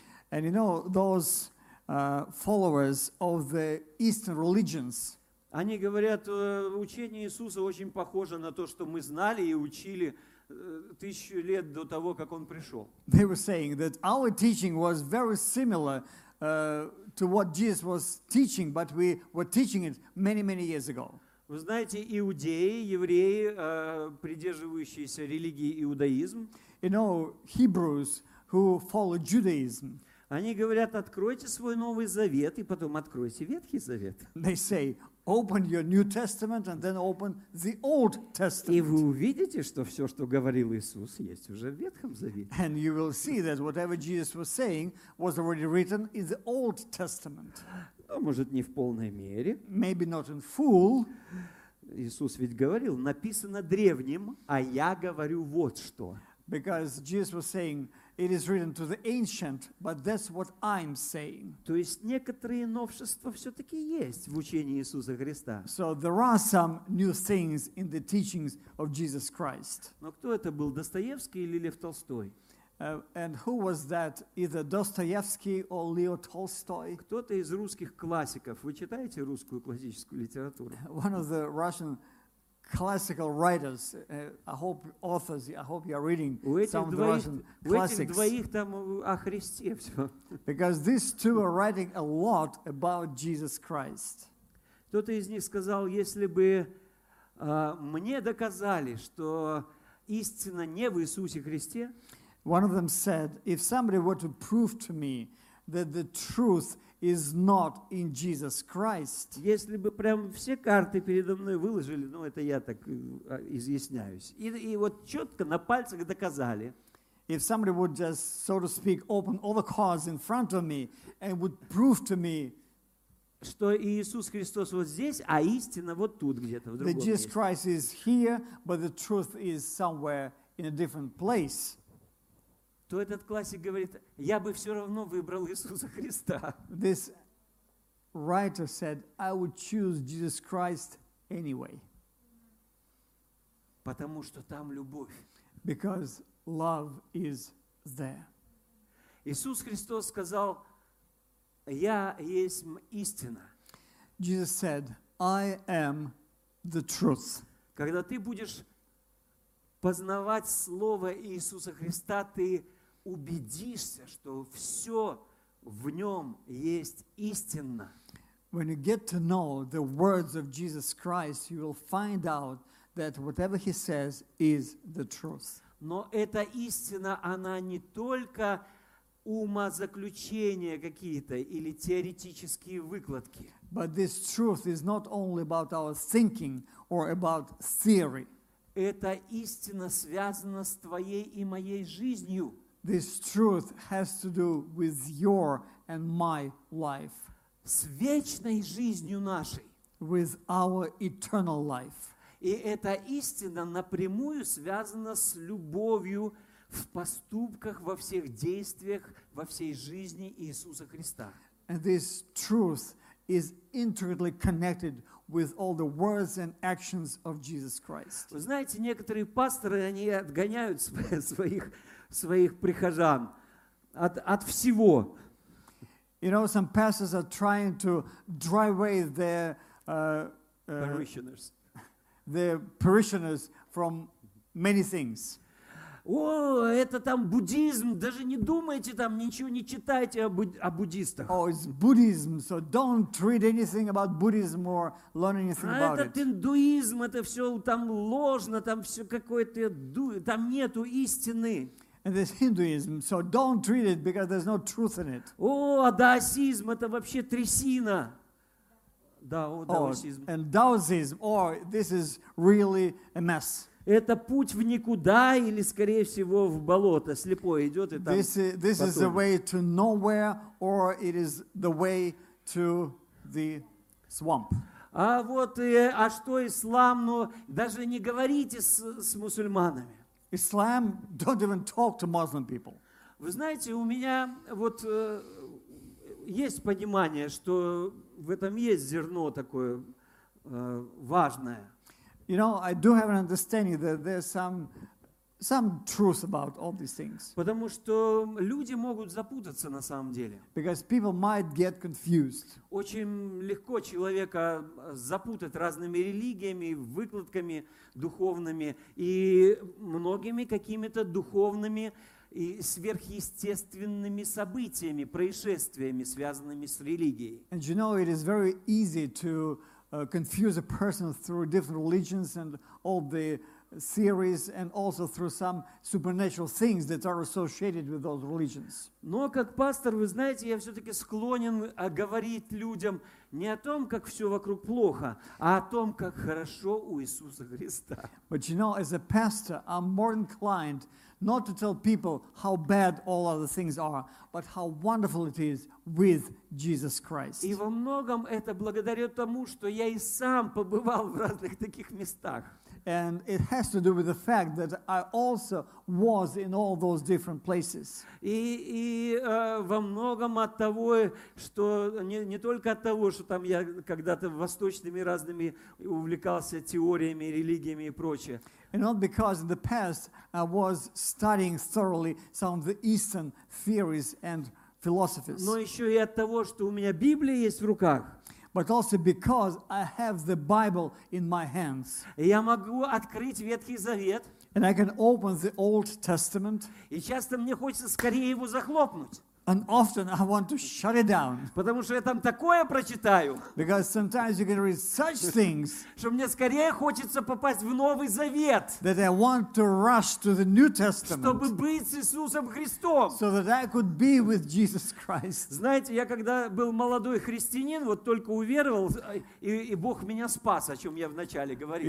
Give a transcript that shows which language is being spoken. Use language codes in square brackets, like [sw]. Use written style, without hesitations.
[en] And you know, those followers of the Eastern religions. [ru] Они говорят, учение Иисуса очень похоже на то, что мы знали и учили тысячу лет до того, как Он пришел. [en] They were saying that our teaching was very similar to what Jesus was teaching, but we were teaching it many, many years ago. [ru] Вы знаете, иудеи, евреи, придерживающиеся религии иудаизм, [en] you know, Hebrews who follow Judaism, [ru] они говорят, откройте свой Новый Завет и потом откройте Ветхий Завет. [en] They say, open your New Testament and then open the Old Testament. [ru] И вы увидите, что все, что говорил Иисус, есть уже в Ветхом Завете. [en] And you will see that whatever Jesus was saying was already written in the Old Testament. [ru] Ну, может, не в полной мере. [en] Maybe not in full. [ru] Иисус ведь говорил, написано древним, а я говорю вот что. [en] Because Jesus was saying, it is written to the ancient, but that's what I'm saying. [ru] То есть некоторые новшества все-таки есть в учении Иисуса Христа. [en] So there are some new things in the teachings of Jesus Christ. [ru] Но кто это был, Достоевский или Лев Толстой? [en] And who was that, either Dostoevsky or Leo Tolstoy? [ru] Кто-то из русских классиков. Вы читаете русскую классическую литературу? [en] One of the Russian classical writers, I hope you are reading some of the Russian classics. [ru] У этих двоих там о Христе все. [en] Because these two are writing a lot about Jesus Christ. [ru] Кто-то из них сказал, если бы мне доказали, что истина не в Иисусе Христе, [en] one of them said, if somebody were to prove to me that the truth is not in Jesus Christ, [ru] если бы прям все карты передо мной выложили, ну это я так изъясняюсь, и вот четко на пальцах доказали, [en] if somebody would just, so to speak, open all the cards in front of me and would prove to me, [ru] что Иисус Христос вот здесь, а истина вот тут где-то в другом месте, [en] Jesus Christ is here, but the truth is somewhere in a different place, [ru] то этот классик говорит, я бы все равно выбрал Иисуса Христа. [en] This writer said, I would choose Jesus Christ anyway. [ru] Потому что там любовь. [en] Because love is there. [ru] Иисус Христос сказал, я есть истина. [en] Jesus said, I am the truth. [ru] Когда ты будешь познавать Слово Иисуса Христа, ты убедишься, что все в нем есть истинно. [en] When you get to know the words of Jesus Christ, you will find out that whatever he says is the truth. [ru] Но эта истина, она не только умозаключения какие-то или теоретические выкладки. [en] But this truth is not only about our thinking or about theory. [ru] Эта истина связана с твоей и моей жизнью. [en] This truth has to do with your and my life. [ru] С вечной жизнью нашей. [en] With our eternal life. [ru] И эта истина напрямую связана с любовью в поступках, во всех действиях, во всей жизни Иисуса Христа. [en] And this truth is intricately connected with all the words and actions of Jesus Christ. [ru] Вы знаете, некоторые пасторы, они отгоняют своих прихожан от всего. [en] You know, some pastors are trying to drive away their parishioners. Their parishioners from many things. [ru] О, это там буддизм, даже не думайте там, ничего не читайте о буддистах. [en] Oh, it's Buddhism, so don't read anything about Buddhism or learn anything about it. [ru] А это индуизм, это все там ложно, там все какое-то, там нету истины. [en] And this Hinduism, so don't read it because there's no truth in it. Oh, Daoism, [ru] это вообще трясина. Да, Daoism. [en] And Daoism, or this is really a mess. [ru] Это путь в никуда или, скорее всего, в болото. Слепой идет и там. [en] This is the way to nowhere, or it is the way to the swamp. [ru] А вот, а что ислам, ну, даже не говорите с мусульманами. [en] Islam, don't even talk to Muslim people. [ru] Вы знаете, у меня вот есть понимание, что в этом есть зерно такое важное. [en] You know, I do have an understanding that there's some truth about all these things. [ru] Потому что люди могут запутаться на самом деле. [en] Because people might get confused. [ru] Очень легко человека запутать разными религиями, выкладками духовными и многими какими-то духовными и сверхъестественными событиями, происшествиями, связанными с религией. [en] And you know, it is very easy to confuse a person through different religions and all the theories, and also through some supernatural things that are associated with those religions. [ru] Но как пастор, вы знаете, я все-таки склонен говорить людям не о том, как все вокруг плохо, а о том, как хорошо у Иисуса Христа. [en] But you know, as a pastor, I'm more inclined not to tell people how bad all other things are, but how wonderful it is with Jesus Christ. [ru] И во многом это благодаря тому, что я и сам побывал в разных таких местах. [en] And it has to do with the fact that I also was in all those different places. [ru] И во многом от того, что не только от того, что там я когда-то восточными разными увлекался теориями, религиями и прочее. [en] And not because in the past I was studying thoroughly some of the Eastern theories and philosophies. [ru] Но еще и от того, что у меня Библия есть в руках. [en] But also because I have the Bible in my hands. [ru] Я могу открыть Ветхий Завет. [en] And I can open the Old Testament. [ru] И часто мне хочется скорее его захлопнуть. [en] And often I want to shut it down. [ru] Потому что я там такое прочитаю. [en] Because sometimes you can read such things. [ru] Что мне скорее хочется попасть в Новый Завет. [en] That I want to rush to the New Testament. [ru] Чтобы быть с Иисусом Христом. [en] So that I could be with Jesus Christ. [ru] Знаете, я когда был молодой христианин, вот только уверовал, и Бог меня спас, о чем я вначале говорил.